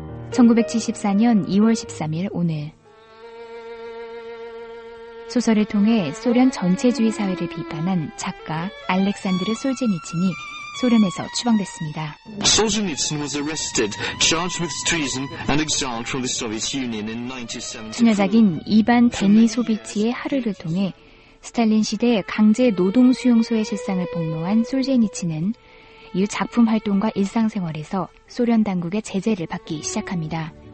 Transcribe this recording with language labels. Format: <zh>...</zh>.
<ko>1974년 2월 13일 오늘 소설을 통해 소련 전체주의 사회를 비판한 작가 알렉산드르 솔제니친이 소련에서 추방됐습니다.</ko> <en>Solzhenitsyn was arrested, charged with treason and exiled from the Soviet Union in 1974.</en> <ko>처녀작인 이반 데니소비치의 하루를 통해 스탈린 시대 강제 노동 수용소의 실상을 폭로한 솔제니친은 이후 작품 활동과 일상생활에서 소련 당국의 제재를 받기 시작합니다.</ko>